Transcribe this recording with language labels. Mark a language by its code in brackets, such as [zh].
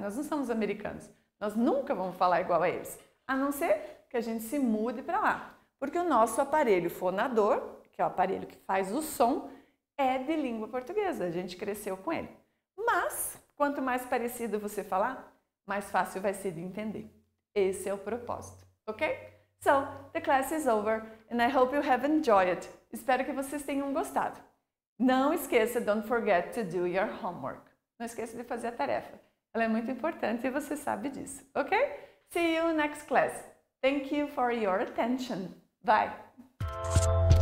[pt] Nós não somos americanos. Nós nunca vamos falar igual a eles. A não ser que a gente se mude para lá. Porque o nosso aparelho fonador, que é o aparelho que faz o som, é de língua portuguesa, a gente cresceu com ele. Mas, quanto mais parecido você falar, mais fácil vai ser de entender. Esse é o propósito, ok? [en] So, the class is over and I hope you have enjoyed. [pt] Espero que vocês tenham gostado. Não esqueça, [en] don't forget to do your homework. [pt] Não esqueça de fazer a tarefa. Ela é muito importante e você sabe disso, ok? [en] See you next class. Thank you for your attention. Bye!